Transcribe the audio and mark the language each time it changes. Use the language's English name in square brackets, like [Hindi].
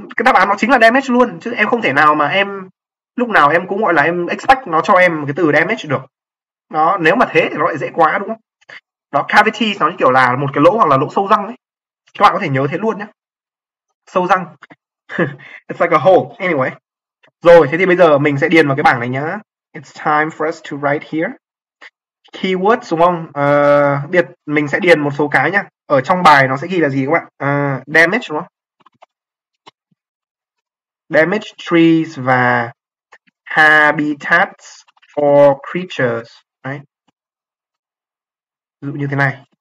[Vietnamese] Cái đáp án nó chính là damage luôn, chứ em không thể nào mà em lúc nào em cũng gọi là em expect nó cho em cái từ damage được. Nó nếu mà thế thì nó lại dễ quá, đúng không? Đó, cavity nó như kiểu là một cái lỗ hoặc là lỗ sâu răng ấy, các bạn có thể nhớ thế luôn nhé, sâu răng. [English] It's like a hole. Anyway. [Vietnamese] Rồi, thế thì bây giờ mình sẽ điền vào cái bảng này nhá. [English] It's time for us to write here. [Vietnamese] Keywords, đúng không? Biệt, mình sẽ điền một số cái nhá. Ở trong bài nó sẽ ghi là gì các bạn? Damage, đúng không? [English] Damage trees [Vietnamese] và [English] habitats for creatures. [Vietnamese] Đấy. Ví dụ như thế này.